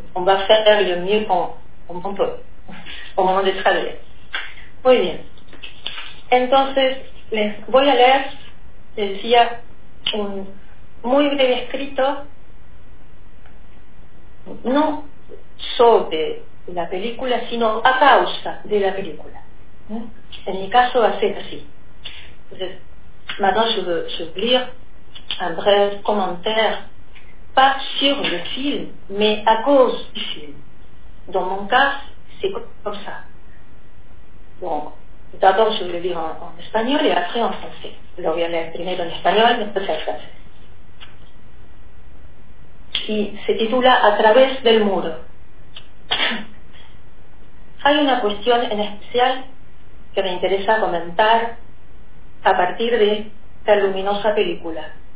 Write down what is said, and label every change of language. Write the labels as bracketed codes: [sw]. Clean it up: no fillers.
[fr] On va faire le mieux qu'on peut au moment de traduire. [es] Muy bien. Entonces, les voy a leer, decía, un muy breve escrito, no sobre la película, sino a causa de la película. En mi caso va a ser así. [fr] Entonces, maintenant je veux lire un breve commentaire, pas sur le film, mais à cause du film. Dans mon cas, c'est comme ça. Bon, d'abord je voulais dire en espagnol et après en français. Alors il y en a [es] primero en espagnol y después en francés. Y se titula A través del muro. Hay una cuestión en especial que me interesa comentar a partir de esta luminosa película.